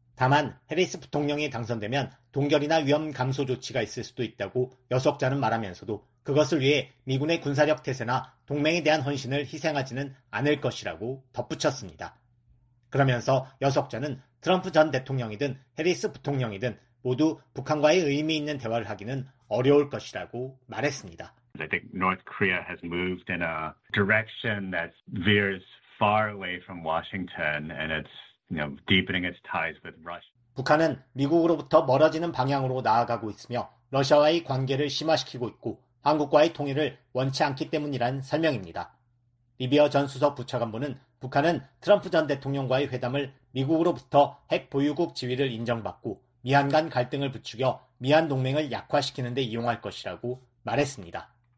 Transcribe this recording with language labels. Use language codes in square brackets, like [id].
[ko] 다만 해리스 부통령이 당선되면 동결이나 위험 감소 조치가 있을 수도 있다고 여석자는 말하면서도 그것을 위해 미군의 군사력 태세나 동맹에 대한 헌신을 희생하지는 않을 것이라고 덧붙였습니다. 그러면서 여석자는 트럼프 전 대통령이든 해리스 부통령이든 모두 북한과의 의미 있는 대화를 하기는 어려울 것이라고 말했습니다. [en] I think North Korea has moved in a direction that veers far away from Washington and it's deepening its ties with Russia. [ko] 북한은 미국으로부터 멀어지는 방향으로 나아가고 있으며 러시아와의 관계를 심화시키고 있고 한국과의 통일을 원치 않기 때문이란 설명입니다. 리비어 전 수석 부차관보는 북한은 트럼프 전 대통령과의 회담을 미국으로부터 핵 보유국 지위를 인정받고 미한 간 갈등을 부추겨 미한 동맹을 약화시키는 데 이용할 것이라고 말했습니다.